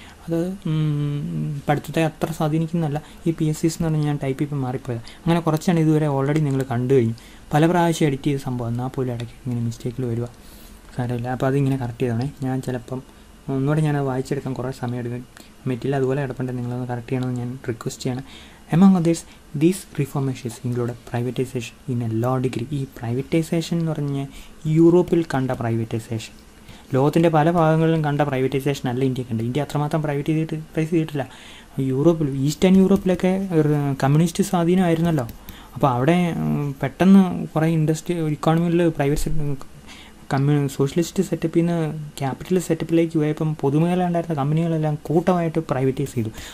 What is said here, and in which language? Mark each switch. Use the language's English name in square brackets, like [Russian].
[Malayalam] അത് പഠിത്തത്തെ അത്ര സ്വാധീനിക്കുന്നതല്ല. ഈ PSUs എന്ന് പറഞ്ഞാൽ ഞാൻ ടൈപ്പ് ഇപ്പം മാറിപ്പോയത്. അങ്ങനെ കുറച്ചാണ് ഇതുവരെ ഓൾറെഡി നിങ്ങൾ കണ്ടു കഴിഞ്ഞു. പല പ്രാവശ്യം എഡിറ്റ് ചെയ്ത സംഭവം എന്നാൽ പോലും ഇടയ്ക്ക് ഇങ്ങനെ മിസ്റ്റേക്കിൽ വരിക, സാരമില്ല. അപ്പോൾ അതിങ്ങനെ കറക്റ്റ് ചെയ്തോണേ. ഞാൻ ചിലപ്പം ഒന്നുകൂടെ ഞാനത് വായിച്ചെടുക്കാൻ കുറേ സമയം എടുക്കും, പറ്റില്ല. അതുപോലെ കിടപ്പുണ്ട്, നിങ്ങളൊന്ന് കറക്റ്റ് ചെയ്യണമെന്ന് ഞാൻ റിക്വസ്റ്റ് ചെയ്യണം. [English] Among others, these reform measures include privatization in a law degree. [Malayalam] ഈ പ്രൈവറ്റൈസേഷൻ എന്ന് പറഞ്ഞാൽ യൂറോപ്പിൽ കണ്ട പ്രൈവറ്റൈസേഷൻ, ലോകത്തിൻ്റെ പല ഭാഗങ്ങളിലും കണ്ട പ്രൈവറ്റൈസേഷൻ അല്ല ഇന്ത്യ കണ്ട്. ഇന്ത്യ അത്രമാത്രം പ്രൈവറ്റൈസ് ചെയ്തിട്ടില്ല. യൂറോപ്പിൽ, ഈസ്റ്റേൺ യൂറോപ്പിലൊക്കെ കമ്മ്യൂണിസ്റ്റ് സ്വാധീനമായിരുന്നല്ലോ. അപ്പോൾ അവിടെ പെട്ടെന്ന് കുറേ ഇൻഡസ്ട്രി ഇക്കോണമിയിൽ പ്രൈവറ്റ് സോഷ്യലിസ്റ്റ് സെറ്റപ്പിൽ നിന്ന് ക്യാപിറ്റൽ സെറ്റപ്പിലേക്ക് പോയപ്പം പൊതുമേഖല ഉണ്ടായിരുന്ന കമ്പനികളെല്ലാം കൂട്ടമായിട്ട് പ്രൈവറ്റൈസ് ചെയ്തു.